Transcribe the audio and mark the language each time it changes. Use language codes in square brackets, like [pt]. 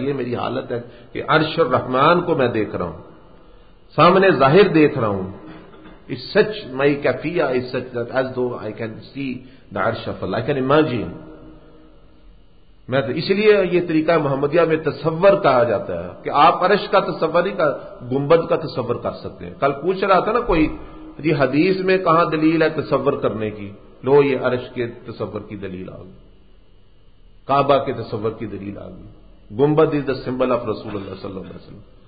[ur] یہ میری حالت ہے کہ عرش الرحمن کو میں دیکھ رہا ہوں، سامنے ظاہر دیکھ رہا ہوں. [en] It's such my kafiyah is such that as though I can see the arsh of Allah. I can imagine. [ur] میں تو اس لیے یہ طریقہ محمدیہ میں تصور کہا جاتا ہے کہ آپ عرش کا تصور نہیں کر، گنبد کا تصور کر سکتے ہیں. کل پوچھ رہا تھا نا کوئی، یہ حدیث میں کہاں دلیل ہے تصور کرنے کی؟ لو یہ عرش کے تصور کی دلیل آ گئی، کعبہ کے تصور کی دلیل آ گئی، گنبد [en] is the symbol of [ur] رسول اللہ صلی اللہ علیہ وسلم.